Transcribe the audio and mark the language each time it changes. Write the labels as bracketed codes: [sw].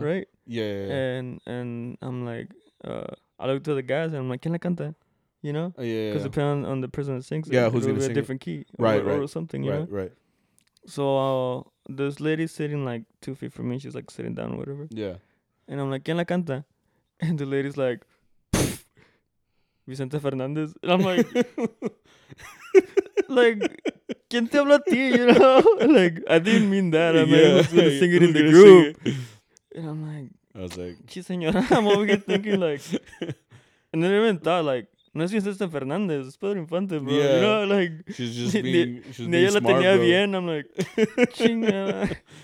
[en] Right? Yeah. And I'm like, I look to the guys and I'm like, [es] ¿quién la canta? [en] You know? Yeah. Because depending on the person that sings, yeah, who's gonna be sing a different key. Right. So this lady sitting like 2 feet from me, she's like sitting down or whatever. Yeah. And I'm like, [es] ¿quién la canta? [en] And the lady's like, Vicente Fernandez. And I'm like, like, [es] ¿quién te habla a ti? [en] You know? Like, I didn't mean that. I mean, who's gonna sing it in the group? And I'm like, I was like, [es] sí, señora. [en] I'm over here thinking, like, and then I even thought, like, [es] no es Vicente Fernández, es Pedro Infante, [en] bro. Yeah. You know, like, she's just being smart, [es] la tenía [en] bro. [es] Bien. [en] I'm like, [es] chinga.